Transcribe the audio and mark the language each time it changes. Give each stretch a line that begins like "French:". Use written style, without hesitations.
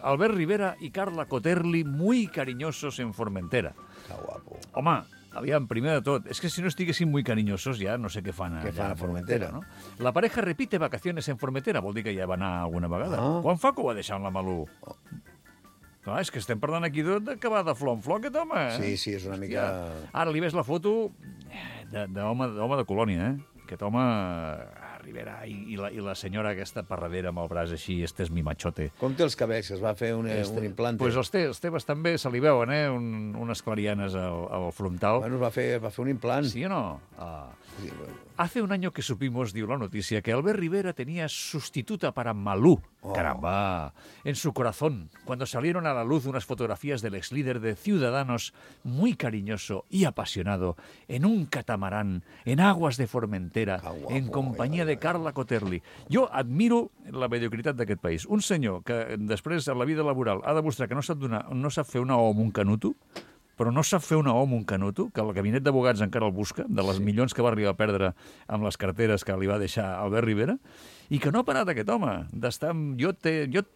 Catalan: Albert Rivera i Carla Coterli,
Spanish: muy cariñosos en Formentera.
Catalan: Que guapo. Home, aviam, primer de tot, és que si no estiguessin
Spanish: muy cariñosos
Catalan: ja no sé què fan allà a Formentera. No?
Spanish: La pareja repite vacaciones en Formentera,
Catalan: vol dir que ja va anar alguna vegada. Ah. Quan fa que ho va deixar amb la Malú? Clar, és que estem parlant aquí d'acabar de flor en flor, aquest home. Eh? Sí, és una mica... Ara li ves la foto... D'home de colònia, eh? Aquest home, Rivera, i la senyora aquesta per darrere amb el braç així,
Spanish: este es mi machote.
Catalan: Com té els cabells? Es va fer un implante? Pues els té bastant bé, se li veuen, eh? Unes clarianes al frontal. Bueno, va fer un implant. Sí o no?
Spanish: Hace un año que supimos,
Catalan: diu la notícia,
Spanish: que Albert Rivera tenía sustituta para Malú. Oh. Caramba! En su corazón, cuando salieron a la luz unas fotografías del ex líder de Ciudadanos, muy cariñoso y apasionado, en un catamarán, en aguas de Formentera, en compañía de Carla Coterli.
Catalan: Jo admiro la mediocritat d'aquest país. Un senyor que després, en la vida laboral, ha demostrat que no sap fer una O amb un canuto, però no sap fer una O amb un canuto, que el gabinet d'abogats encara el busca, de les milions que va arribar a perdre amb les carteres que li va deixar Albert Rivera, i que no ha parat aquest home d'estar amb iotes...